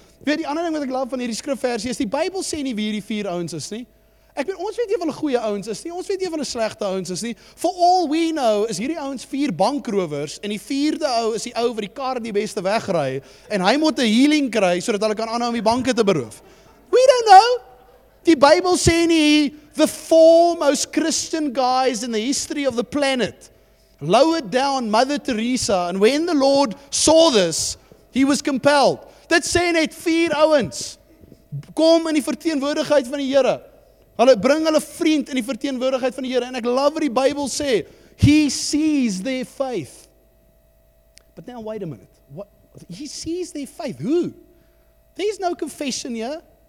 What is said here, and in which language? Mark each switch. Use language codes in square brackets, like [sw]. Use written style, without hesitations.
[af] Weet, die ander ding wat ek love van hierdie skrifversie is, die Bybel sê nie wie hierdie vier ouens is nie. Ek weet, ons weet nie of hulle goeie ouens is nie, ons weet nie of hulle slegte ouens is nie. [en] For all we know, [af] is hierdie ouens vier bankrowers, en die vierde ou is die ou wat die kar die beste wegry, en hy moet 'n healing kry, sodat hulle kan aanhou om die banke te beroof. [en] We don't know. [af] Die Bybel sê nie, [en] the four most Christian guys in the history of the planet, lowered down Mother Teresa, and when the Lord saw this, he was compelled. [af] Dit sê net vier ouens, kom in die verteenwoordigheid van die Here. Hulle bring hulle vriend in die verteenwoordigheid van die Here, en ek love wat die Bybel sê, [en] he sees their faith. But now, wait a minute. What? He sees their faith. Who? There's no confession here.